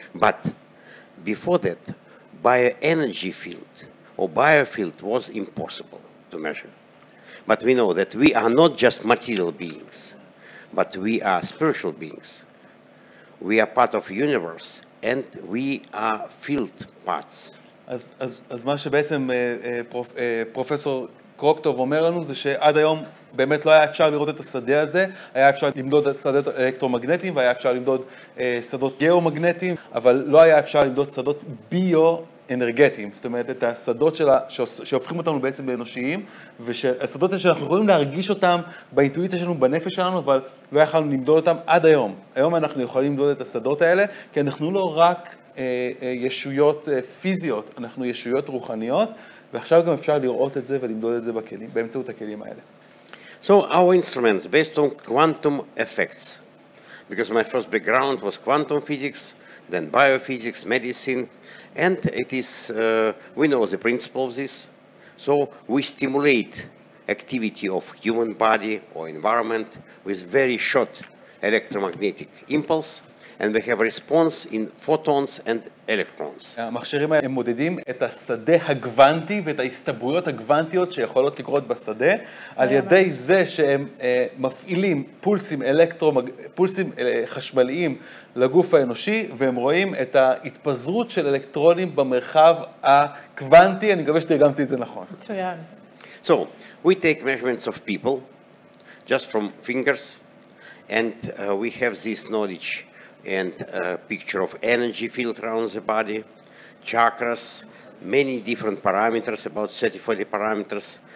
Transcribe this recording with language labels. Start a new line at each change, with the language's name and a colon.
English: But before that, bioenergy field or biofield was impossible to measure. But we know that we are not just material beings, but we are spiritual beings. We are part of the universe, and we are field parts.
Hebrew: אז מה שבעצם פרופסור קרוקטוב אומר לנו זה שעד היום באמת לא היה אפשר לראות את השדה הזה, היה אפשר למדוד שדות אלקטרומגנטיים והיה אפשר למדוד שדות גיאומגנטיים, אבל לא היה אפשר למדוד שדות ביו-אנרגטיים, זאת אומרת את השדות שהופכים אותנו בעצם לאנושיים, והשדות שאנחנו יכולים להרגיש אותם באינטואיציה שלנו, בנפש שלנו, אבל לא יכולנו למדוד אותם עד היום. היום אנחנו יכולים למדוד את השדות האלה, כי אנחנו לא רק ישויות פיזיות, אנחנו ישויות רוחניות, ועכשיו גם אפשר לראות את זה ולמדוד את זה בכלים, באמצעות הכלים האלה.
English: So our instruments based on quantum effects, because my first background was quantum physics, then biophysics, medicine, and it is, we know the principle of this. So we stimulate activity of human body or environment with very short electromagnetic impulse, and we have response in photons and electrons.
Hebrew: המכשירים האלה מודדים את השדה הגוונטי ואת ההסתברויות הגוונטיות שיכולות לקרות בשדה, על ידי זה שהם מפעילים פולסים חשמליים לגוף האנושי, והם רואים את ההתפזרות של אלקטרונים במרחב הקוונטי. אני מקווה שתרגמתי את זה נכון. מצוין.
English: So, we take measurements of people, just from fingers, and we have this knowledge and a picture of energy field around the body, chakras, many different parameters, about 30-40 parameters.